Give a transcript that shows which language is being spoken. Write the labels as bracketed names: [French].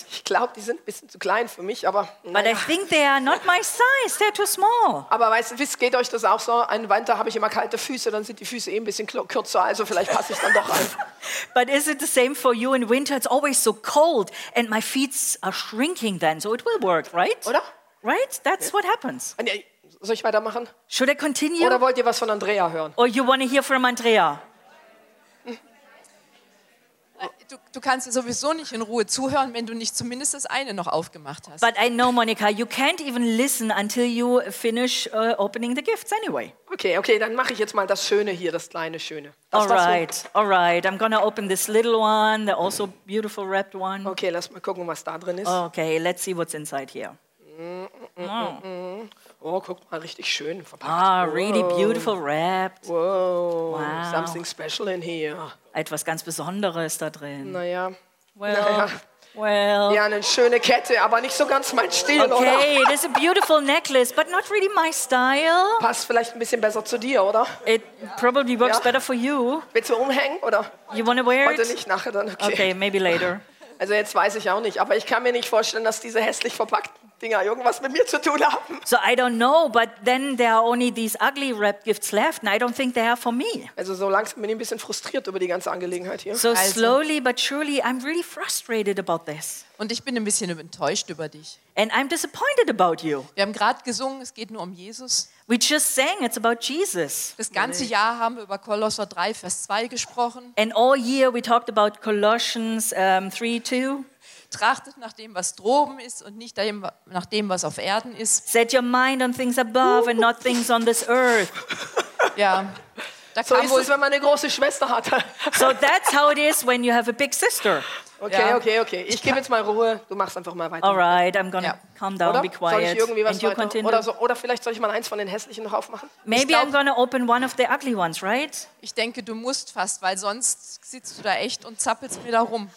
[German] Ich glaube, die sind ein bisschen zu klein für mich, aber naja. [English] But I think they are not my size, they're too small. [German] Aber weißt du, geht euch das auch so? Ein Winter habe ich immer kalte Füße, dann sind die Füße eh ein bisschen kürzer, also vielleicht passe ich dann doch an. [English] But is it the same for you in winter? It's always so cold and my feet are shrinking then, so it will work, right? [German] Oder? [English] Right? That's what happens. [German] Soll ich weitermachen? [English] Should I continue? [German] Oder wollt ihr was von Andrea hören? [English] Or you want to hear from Andrea? [German] Du kannst sowieso nicht in Ruhe zuhören, wenn du nicht zumindest das eine noch aufgemacht hast. [English] But I know, Monica, you can't even listen until you finish opening the gifts anyway. [German] Okay, dann mache ich jetzt mal das Schöne hier, das kleine Schöne. [English] All right. I'm gonna open this little one, the also beautiful wrapped one. [German] Okay, lass mal gucken, was da drin ist. [English] Okay, let's see what's inside here. [German] Oh, guck mal, richtig schön verpackt. [English] Really beautiful wrapped. Wow. Something special in here. [German] Etwas ganz Besonderes da drin. Naja. Ja, eine schöne Kette, aber nicht so ganz mein Stil, okay, oder? [English] Okay, it is a beautiful necklace, but not really my style. [German] Passt vielleicht ein bisschen besser zu dir, oder? [English] It probably works better for you. [German] Willst du umhängen, oder? [English] You want to wear [German] it? Heute nicht, nachher dann, okay. [English] Okay, maybe later. [German] Also jetzt weiß ich auch nicht, aber ich kann mir nicht vorstellen, dass diese hässlich verpackten Dinger irgendwas mit mir zu tun haben. [English] So I don't know, but then there are only these ugly wrapped gifts left and I don't think they are for me. [German] Also so langsam bin ich ein bisschen frustriert über die ganze Angelegenheit hier. [English] So slowly but surely I'm really frustrated about this. [German] Und ich bin ein bisschen enttäuscht über dich. [English] And I'm disappointed about you. [German] Wir haben gerade gesungen, es geht nur um Jesus. [English] We just sang, it's about Jesus. [German] Das ganze Jahr haben wir über Kolosser 3, Vers 2 gesprochen. [English] And all year we talked about Colossians 3, 2. [German] Trachtet nach dem, was droben ist und nicht nach dem, was auf Erden ist. [English] Set your mind on things above and not things on this earth. [German] Ja. Da so ist es, wenn man eine große Schwester hat. [English] So that's how it is when you have a big sister. [German] Okay. Ich gebe jetzt mal Ruhe. Du machst einfach mal weiter. [English] All right, I'm gonna calm down, [German] oder? [English] Be quiet. [German] Soll ich irgendwie was weiter? Oder vielleicht soll ich mal eins von den hässlichen noch aufmachen? [English] Maybe I'm gonna open one of the ugly ones, right? [German] Ich denke, du musst fast, weil sonst sitzt du da echt und zappelst mir da rum.